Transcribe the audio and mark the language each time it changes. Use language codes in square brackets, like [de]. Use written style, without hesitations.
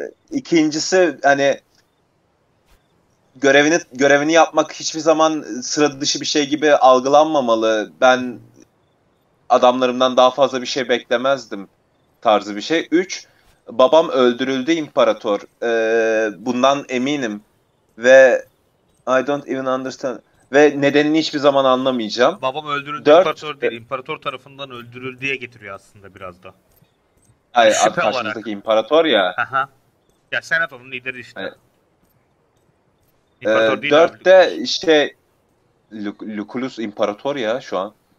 [tr] İkincisi hani görevini yapmak hiçbir zaman sıra dışı bir şey gibi algılanmamalı. Ben adamlarımdan daha fazla bir şey beklemezdim tarzı bir şey. Üç, babam öldürüldü imparator. Bundan eminim. Ve [en] I don't even understand. [tr] Ve nedenini hiçbir zaman anlamayacağım. Babam öldürüldü. Dört, imparator değil. İmparator tarafından öldürüldüğe getiriyor aslında biraz da. Hayır, karşımızdaki imparator ya. Aha. Ya senatonun lideri işte. Hayır. Dörtte işte Lucullus imparator ya şu an.